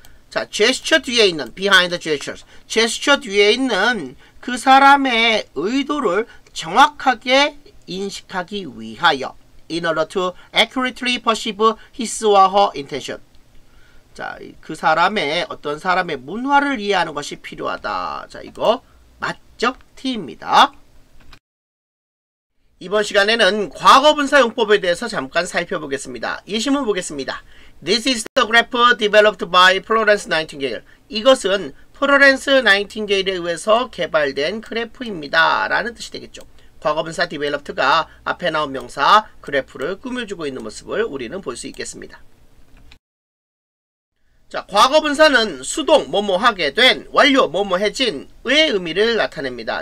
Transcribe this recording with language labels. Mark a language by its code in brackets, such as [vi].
[ko] 자, gesture 뒤에 있는 [en] behind the gestures. [ko] gesture 뒤에 있는 그 사람의 의도를 정확하게 인식하기 위하여 [en] in order to accurately perceive his or her intention. [ko] 자, 그 사람의 어떤 사람의 문화를 이해하는 것이 필요하다. 자, 이거 맞죠? T입니다. 이번 시간에는 과거분사용법에 대해서 잠깐 살펴보겠습니다. 예시문 보겠습니다. [en] This is the graph developed by Florence Nightingale. [ko] 이것은 플로렌스 나이팅게일에 의해서 개발된 그래프입니다. 라는 뜻이 되겠죠. 과거분사 developed가 앞에 나온 명사 그래프를 꾸며주고 있는 모습을 우리는 볼 수 있겠습니다. 자, 과거분사는 수동 뭐뭐하게 된 완료 뭐뭐해진의 의미를 나타냅니다.